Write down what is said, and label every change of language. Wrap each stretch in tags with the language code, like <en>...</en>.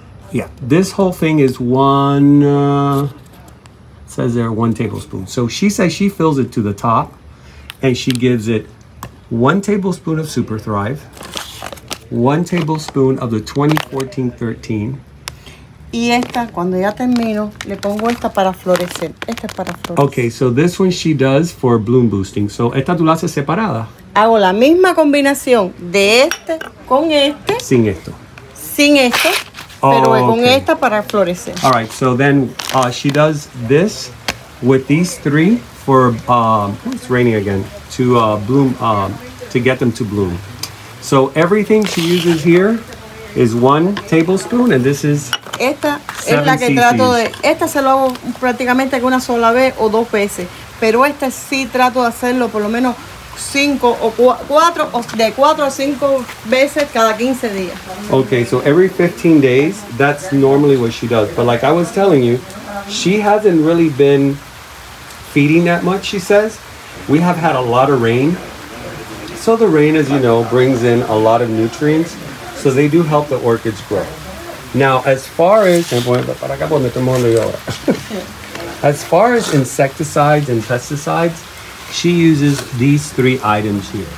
<en>Yeah, this whole thing is one tablespoon. So she says she fills it to the top and she gives it 1 tablespoon of Super Thrive, 1 tablespoon of the 2014-13,</en> <es>y esta, cuando ya termino, le pongo esta para florecer. Esta es para florecer.</es> <en>Okay, so this one she does for bloom boosting.</en> <es>So, esta tú la haces separada. Hago la misma combinación de este con este. Sin esto. Sin esto, pero okay. Con esta para florecer.</es> <en>All right, so then she does this with these three for, it's raining again, to bloom, to get them to bloom. So, everything she uses here is 1 tablespoon, and this is...</en> <es>Esta es la que trato de. Esta se lo hago prácticamente una sola vez o dos veces. Pero esta sí trato de hacerlo por lo menos 4 o 5 veces cada 15 días.</es> <en>Okay, so every 15 days, that's normally what she does. But like I was telling you, she hasn't really been feeding that much, she says. We have had a lot of rain. So the rain, as you know, brings in a lot of nutrients. So they do help the orchids grow. Now, as far as insecticides and pesticides, she uses these three items here.</en>